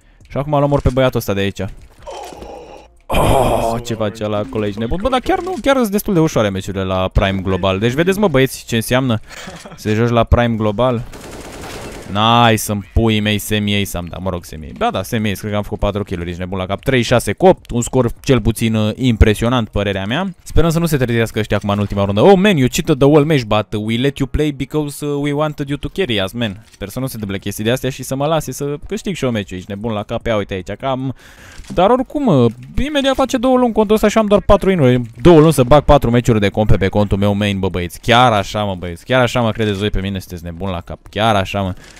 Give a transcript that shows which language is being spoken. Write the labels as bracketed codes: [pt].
[ro] Și acum l-am omor pe băiatul ăsta de aici. Oh, ce face ăla acolo, ești nebun? Bă, dar chiar nu, chiar sunt destul de ușoare meciurile la Prime Global. Deci vedeți, mă, băieți, ce înseamnă să joci la Prime Global. Nice, sunt puii mei, semi-ace am dat, mă rog, semi-ace. Ba da, semi-ace, cred că am făcut 4 kill-uri, ești nebun la cap. 3-6 cu 8, un scor cel puțin impresionant, părerea mea. Sperăm să nu se trezească ăștia acum în ultima rundă. [en] Oh man, you cheated the whole match, but we let you play because we wanted you to carry us, man. [ro] Sper să nu se dăble chestii de astea și să mă lase să câștig și eu meciul, ești nebun la cap. Ia uite aici, cam. Dar oricum, imediat face 2 luni contul ăsta și am doar 4 in-uri. 2 luni să bag 4 meciuri de comp pe contul meu main, bă băieți. Chiar așa, mă băieți, chiar așa mă credeți voi pe mine, sunteți nebun la cap, chiar așa mă.